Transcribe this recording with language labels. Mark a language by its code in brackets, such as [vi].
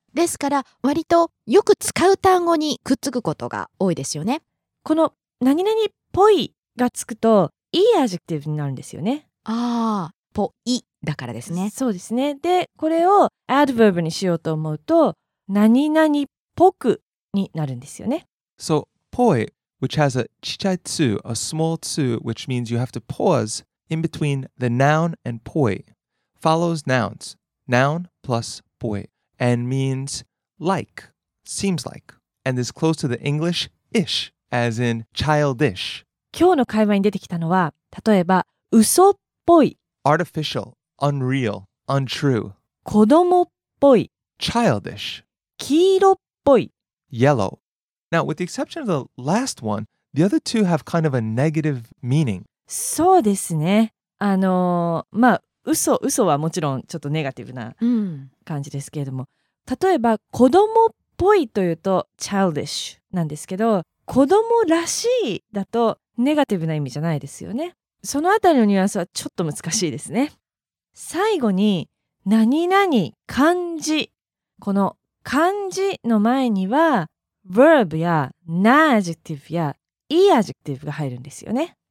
[ja] ですから割とよく使う単語にくっつくことが多いですよね。この何々っぽいがつくといいアジェクティブになるんですよね。あー、ぽいだからですね。そうですね。で、これをアドバーブにしようと思うと何々っぽくになるんですよね。 [en] So ぽい which has a [ja] ちっちゃいつ [en] a small つ which means you have to pause in between the noun and ぽい follows nouns noun plus ぽいand means like, seems like, and is close to the English-ish, as in childish. [ja] 今日の会話に出てきたのは、例えば、嘘っぽい。 [en] Artificial, unreal, untrue. [ja] 子供っぽい。 [en] Childish. [ja] 黄色っぽい。 [en] Yellow. Now, with the exception of the last one, the other two have kind of a negative meaning. [ja] そうですね。嘘はもちろんちょっとネガティブな感じですけれども、うん、例えば子供っぽいというと childish なんですけど、子供らしいだとネガティブな意味じゃないですよね。そのあたりのニュアンスはちょっと難しいですね。最後に何々漢字、この漢字の前には verb や adjective や adjective が入るんですよね。